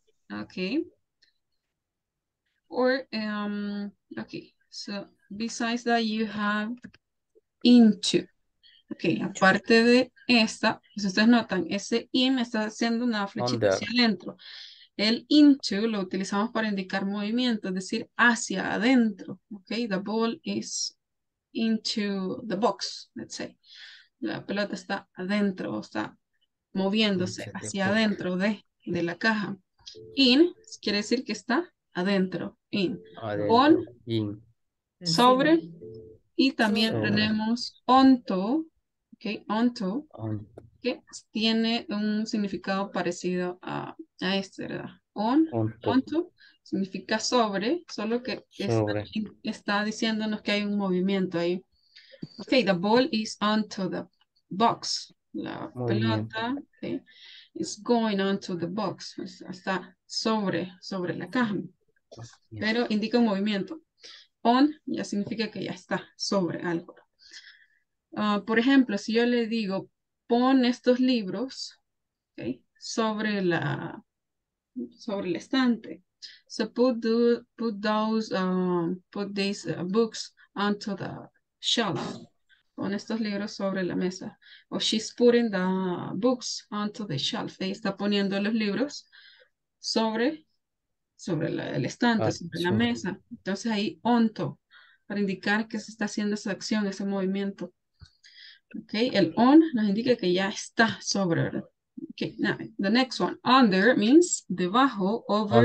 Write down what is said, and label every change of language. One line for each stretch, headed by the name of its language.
English: Ok. Or, ok. So, besides that, you have into.
Spanish: Ok, aparte de esta, si ustedes notan, ese in está haciendo una flechita hacia adentro. El into lo utilizamos para indicar movimiento, es decir, hacia adentro.
English: Ok, the ball is into the box, let's say.
Spanish: La pelota está adentro, está moviéndose hacia adentro de la caja. In quiere decir que está adentro. In. Adentro.
English: On. In.
Spanish: Sobre. Y también sobre. Tenemos onto. Ok, onto.
English: On.
Spanish: Que tiene un significado parecido a este, ¿verdad?
English: On. Onto.
Spanish: Onto significa sobre, solo que sobre. Está diciéndonos que hay un movimiento ahí.
English: Ok, the ball is onto the box.
Spanish: La pelota,
English: okay, is going onto the box.
Spanish: Está sobre la caja. Pero indica un movimiento. On ya significa que ya está sobre algo. Por ejemplo, si yo le digo, pon estos libros, okay, sobre el estante.
English: So put these books onto the shelf.
Spanish: Pon estos libros sobre la mesa.
English: O she's putting the books onto the shelf.
Spanish: Ella está poniendo los libros sobre el estante, la mesa. Entonces ahí onto, para indicar que se está haciendo esa acción, ese movimiento. Ok, el on nos indica que ya está sobre.
English: Ok, now, the next one. Under means debajo, over